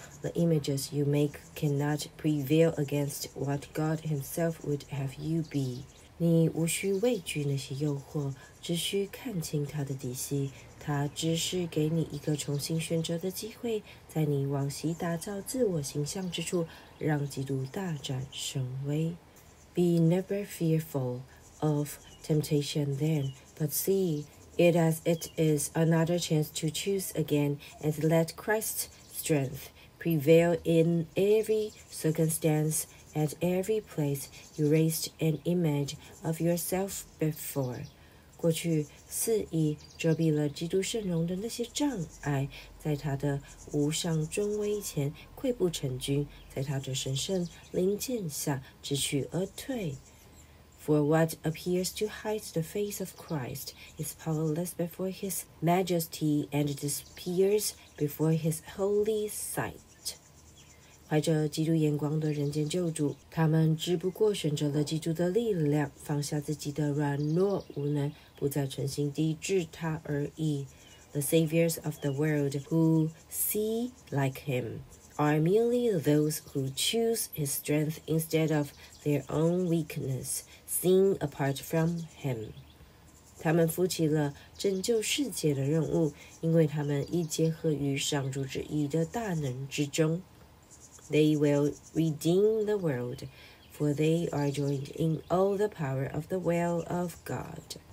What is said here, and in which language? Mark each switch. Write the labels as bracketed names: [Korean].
[English] The images you make cannot prevail against what God himself would have you be. [Chinese] 你无需畏惧那些诱惑，只需看清他的底细。他只是给你一个重新选择的机会，在你往昔打造自我形象之处，让基督大展神威。 [English] Be never fearful of temptation then, but see it as it is another chance to choose again and let Christ's strength prevail in every circumstance. At every place you raised an image of yourself before. [Chinese] 过去肆意遮蔽了基督圣容的那些障碍，在他的无上尊威前溃不成军，在他的神圣灵剑下知趣而退。 [English] For what appears to hide the face of Christ is powerless before his majesty and disappears before his holy sight. [Chinese] 怀着基督眼光的人间救主，他们只不过选择了基督的力量，放下自己的软弱无能，不再存心抵制他而已。 [English] The saviors of the world who see like him are merely those who choose his strength instead of their own weakness, seeing apart from him. [Chinese] 他们负起了拯救世界的任务，因为他们已结合于上主旨意的大能之中。 [English] They will redeem the world, for they are joined in all the power of the will of God.